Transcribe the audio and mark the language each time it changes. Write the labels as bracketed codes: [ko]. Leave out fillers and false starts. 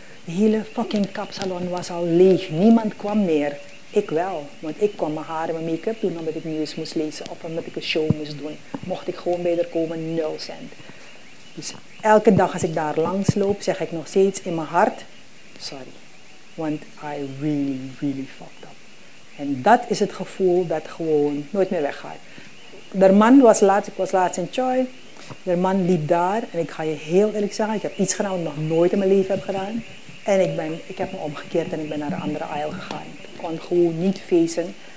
[nl] De hele fucking kapsalon was al leeg. Niemand kwam meer. Ik wel. Want ik kwam mijn haar en mijn make-up doen omdat ik nieuws moest lezen of omdat ik een show moest doen. Mocht ik gewoon bij haar komen, 0 cent. Dus elke dag als ik daar langs loop, zeg ik nog steeds in mijn hart, sorry. Want [en] I really, really fucked up. [nl] En dat is het gevoel dat gewoon nooit meer weggaat. De man was laatst, ik was laatst in Choi. De man liep daar en ik ga je heel eerlijk zeggen, ik heb iets gedaan wat ik nog nooit in mijn leven heb gedaan. En ik heb me omgekeerd en ik ben naar een andere aisle gegaan. Ik kon gewoon niet feesten